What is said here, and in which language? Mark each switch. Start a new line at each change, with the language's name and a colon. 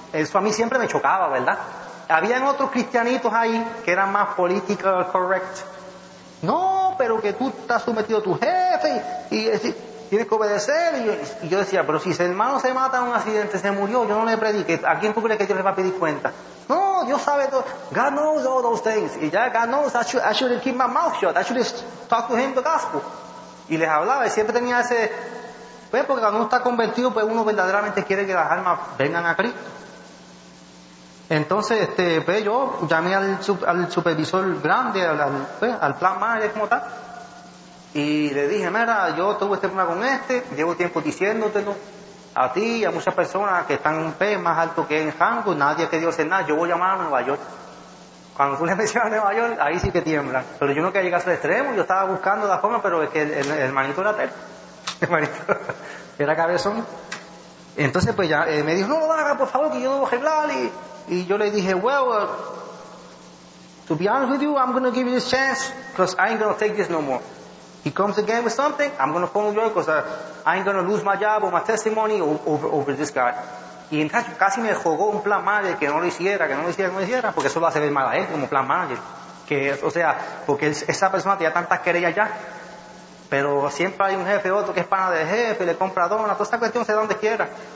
Spanish: Eso a mí siempre me chocaba, ¿verdad? Habían otros cristianitos ahí que eran más
English: political correct.
Spanish: No, pero que tú estás sometido a tu jefe y tienes que obedecer. Y yo decía, pero si ese hermano se mata en un accidente, se murió, yo no le prediqué. ¿A quién tú crees que Dios le va a pedir cuenta? No, Dios sabe todo.
English: God knows all those things.
Spanish: Y ya,
English: God knows, I should keep my mouth shut. I should talk to him the gospel.
Spanish: Y les hablaba, y siempre tenía ese... Pues porque cuando uno está convertido, pues uno verdaderamente quiere que las almas vengan a Cristo. Entonces, pues yo llamé al supervisor grande, al plan manager como tal, y le dije, mira, yo tuve este problema con este, llevo tiempo diciéndotelo a ti y a muchas personas que están un pez más alto que en Hancock, nadie ha querido hacer nada, yo voy a llamar a Nueva York. Cuando tú le mencionas a Nueva York, ahí sí que tiemblan. Pero yo no quería llegar al extremo, yo estaba buscando la forma, pero es que el hermanito era terco. El hermanito era cabezón. Entonces pues ya me dijo, no lo haga, por favor, que yo no voy a hablar. Y yo le dije,
English: well, to be honest with you, I'm going to give you this chance because I ain't going to take this no more. He comes again with something, I'm going to phone you because I ain't going to lose my job or my testimony over this guy.
Spanish: Y entonces casi me jugó un plan manager que no lo hiciera, porque eso lo hace ver mal a él como plan manager. Que es, o sea, porque esa persona tenía tantas querellas ya, pero siempre hay un jefe otro que es pana de jefe, le compra dona, toda esa cuestión se da donde quiera.